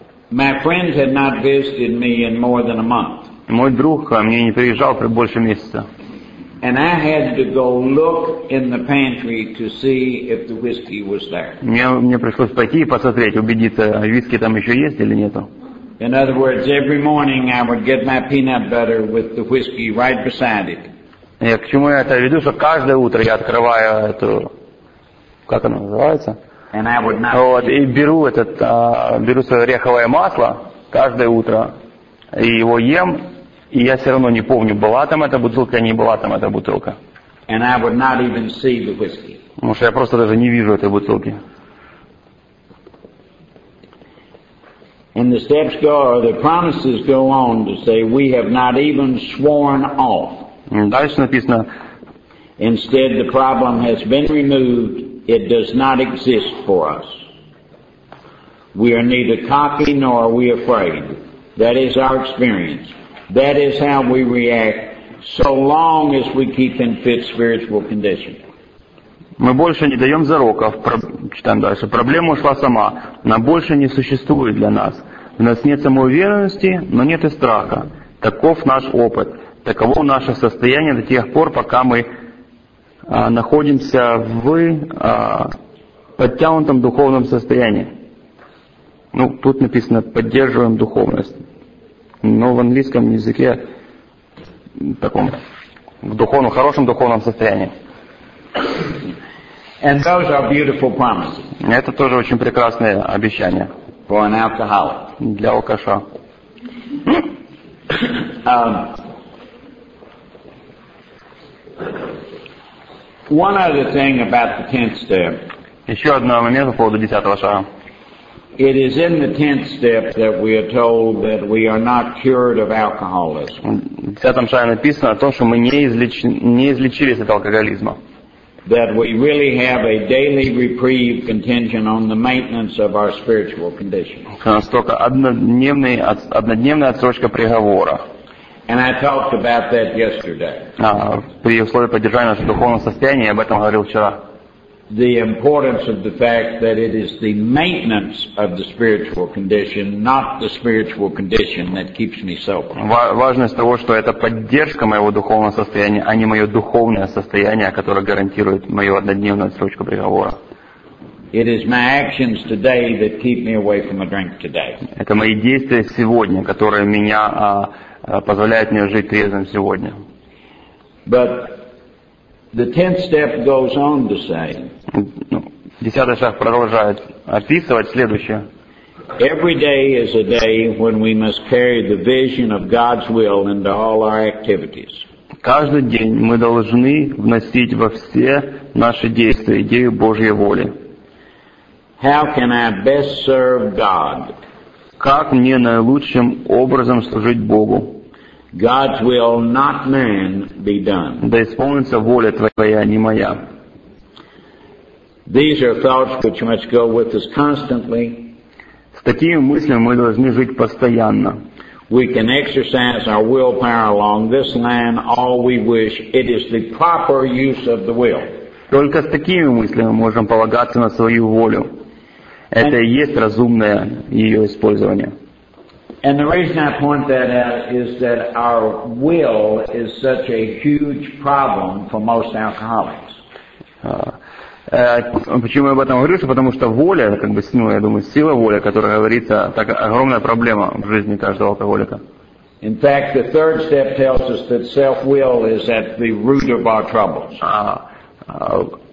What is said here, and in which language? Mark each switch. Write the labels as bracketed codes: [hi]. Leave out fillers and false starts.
[en] My friends had not visited me in more than a month. [ru] Мой друг ко мне не приезжал больше месяца. [en] And I had to go look in the pantry to see if the whiskey was there. [ru] Мне пришлось пойти и посмотреть, убедиться, виски там еще есть или нету. [en] In other words, every morning I would get my peanut butter with the whiskey right beside it. [ru] Я к чему я это веду, что каждое утро я открываю эту, как она называется? [en] And I would not. [ru] Вот, и беру этот, беру свое ореховое масло каждое утро и его ем, и я все равно не помню, была там эта бутылка, не была там эта бутылка. [en] And I would not even see the whiskey. [ru] Потому что я просто даже не вижу этой бутылки. [en] And the steps go, or the promises go on to say we have not even sworn off. [ru] Дальше написано. [en] Instead, the problem has been removed. It does not exist for us. We are neither cocky nor are we afraid. That is our experience. That is how we react so long as we keep in fit spiritual condition. [ru] Мы больше не даем зароков. Читаем дальше. Проблема ушла сама. Она больше не существует для нас. У нас нет самоуверенности, но нет и страха. Таков наш опыт. Таково наше состояние до тех пор, пока мы находимся в подтянутом духовном состоянии. Ну, тут написано «поддерживаем духовность». Но в английском языке таком, в духовном, хорошем духовном состоянии. [en] And those are beautiful promises. [ru] Это тоже очень прекрасное обещание. [en] For an alcoholic. [ru] Для алкаша. [en] One other thing about the tenth step. [ru] Еще одно момент по поводу десятого шага. [en] It is in the tenth step that we are told that we are not cured of alcoholism. [ru] В десятом шаге написано о том, что мы не излечились от алкоголизма. [en] That we really have a daily reprieve contingent on the maintenance of our spiritual condition. [ru] У нас только однодневная отсрочка приговора. [en] And I talked about that yesterday. [ru] При условии поддержания нашего духовного состояния, я об этом говорил вчера. [en] The importance of the fact that it is the maintenance of the spiritual condition, not the spiritual condition, that keeps me sober. [ru] Важность того, что это поддержка моего духовного состояния, а не мое духовное состояние, которое гарантирует мою однодневную отсрочку приговора. [en] It is my actions today that keep me away from a drink today. [ru] Это мои действия сегодня, которые меня позволяет мне жить трезвым сегодня. [en] But the tenth step goes on to say. [ru] десятый шаг продолжает описывать следующее. [en] Every day is a day when we must carry the vision of God's will into all our activities. [ru] Каждый день мы должны вносить во все наши действия идею Божьей воли. [en] How can I best serve God? [ru] Как мне наилучшим образом служить Богу? [en] God's will, not man, be done. [ru] Да исполнится воля Твоя, не моя. [en] These are thoughts which must go with us constantly. [ru] С такими мыслями мы должны жить постоянно. [en] We can exercise our willpower along this line all we wish. It is the proper use of the will. [ru] Только с такими мыслями мы можем полагаться на свою волю. Это и есть разумное ее использование. [en] And the reason I point that out is that our will is such a huge problem for most alcoholics. [ru] Почему я об этом говорю? Потому что воля, как бы, ну, я думаю, сила воли, которая говорится, так огромная проблема в жизни каждого алкоголика. [en] In fact, the third step tells us that self-will is at the root of our troubles.